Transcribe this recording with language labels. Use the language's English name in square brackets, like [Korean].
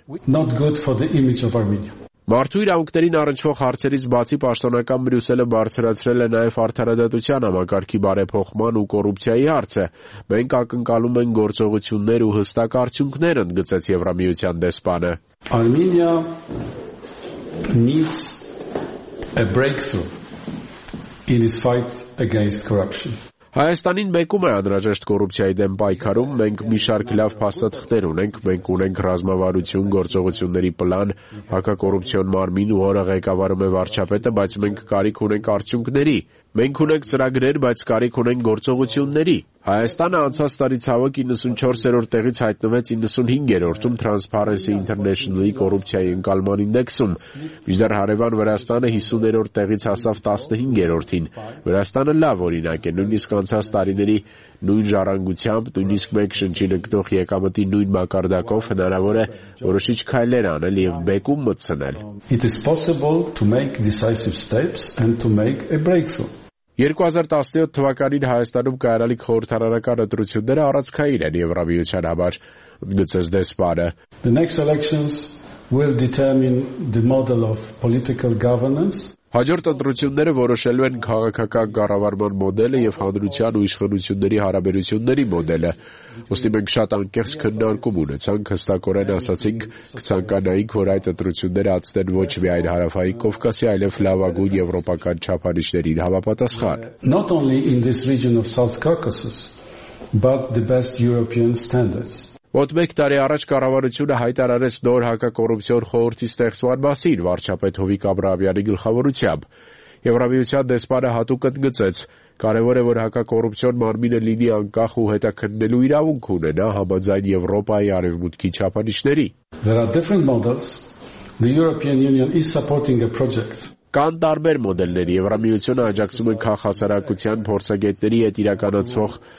[Armenian] չեն։ Մարդու իրավունքներին առնչվող հարցերից բացի պաշտոնական Բրյուսելը բարձրացրել է նաև արդարադատության համակարգի բարեփոխման ու կոռուպցիայի հարցը։ Մենք ակնկալում ենք գործողություններ ու հստակ արդյունքներ, ընդգծեց Եվրամիության դեսպանը։ [English] Armenia needs a breakthrough in its fight against corruption. [Armenian] Հայաստանին մեկում է անհրաժեշտ կոռուպցիայի դեմ պայքարում, մենք մի շարք լավ փաստաթղթեր ունենք, մենք ունենք ռազմավարություն, գործողությունների պլան, հակակոռուպցիոն մարմին, որը ղեկավարում է վարչապետը, բայց մենք կարիք ունենք արդյունքների։ Մենք ունենք ծրագրեր, բայց կարիք ունենք գործողությունների։ Հայաստանը անցած տարի ցավը 94-րդ տեղից հայտնվեց 95-րդում Transparency International-ի կոռուպցիայի ընկալման ինդեքսում։ Միջդեռ հարևան Վրաստանը 50-րդ տեղից հասավ 15-րդին։ Վրաստանը լավ օրինակ է, նույնիսկ անցած տարիների նույն ժառանգությամբ, նույնիսկ մեկ շնչի նկտող եկամտի նույն մակարդակով հնարավոր է որոշիչ քայլեր անել և բեկում մտցնել։ [English] It is possible to make decisive steps and to make a breakthrough. [Armenian] 2017 թվականին Հայաստանում կայարալիք խորհրդարանական ընտրությունները առանցքային են Եվրամիության համար, գծեց դեսպանը։ [English] The next elections will determine the model of political governance. [Armenian] Հաջորդ ընտրությունները որոշելու են քաղաքական կառավարման մոդելը և հանրության ու իշխանությունների հարաբերությունների մոդելը։ Ուստի մենք շատ անկեղծ քննարկում ունեցանք, հստակորեն ասացինք, կցանկանայինք, որ այդ ընտրությունները անցնեն ոչ միայն Հարավային Կովկասի, այլև լավագույն եվրոպական չափանիշներին համապատասխան։ [English] Not only in this region of South Caucasus, but the best European standards. [Armenian] Ոտ մեկ տարի առաջ կառավարությունը հայտարարեց նոր հակակոռուպցիոն խորհրդի ստեղծման մասին վարչապետ Հովիկ Աբրահամյանի գլխավորությամբ։ Եվրամիության դեսպանը հատուկ ընդգծեց. կարևոր է, որ հակակոռուպցիոն մարմինը լինի անկախ ու հետաքննելու իրավունք ունենա համաձայն Եվրոպայի արևմուտքի չափանիշների։ Կան տարբեր մոդելներ, Եվրամիությունը աջակցում է քաղաքասարակության փորձագետների հետ իրականացող